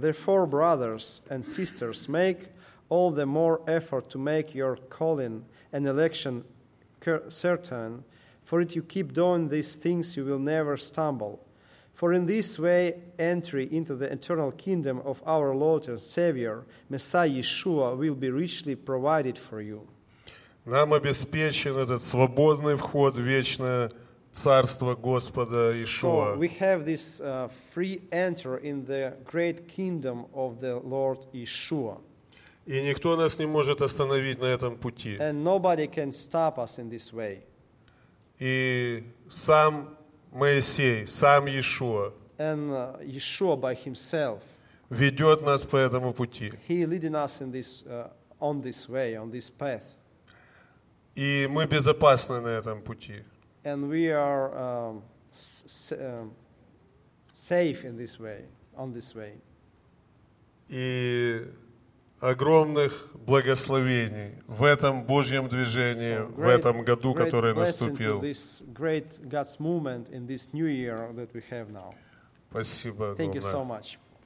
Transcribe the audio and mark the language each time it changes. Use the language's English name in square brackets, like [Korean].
[English] Therefore, brothers and sisters, make all the more effort to make your calling and election certain, for if you keep doing these things, you will never stumble. For in this way, entry into the eternal kingdom of our Lord and Savior, Messiah Yeshua, will be richly provided for you. [Russian] Нам обеспечен этот свободный вход в вечное царство Господа Иешуа. [English] So we have this free enter in the great kingdom of the Lord Yeshua. [Russian] И никто нас не может остановить на этом пути. [English] And nobody can stop us in this way. [Russian] И сам Моисей, сам Иешуа. [English] And Yeshua by himself. [Russian] Ведет нас по этому пути. [English] He leading us in this on this way, on this path. [Russian] И мы безопасны на этом пути. [English] And we are safe in this way, on this way. [Russian] И огромных благословений в этом Божьем движении, so [English] great, [Russian] в этом году, который наступил. [English] This great God's movement in this new year that we have now. [Russian] Спасибо. [English] Thank you so much.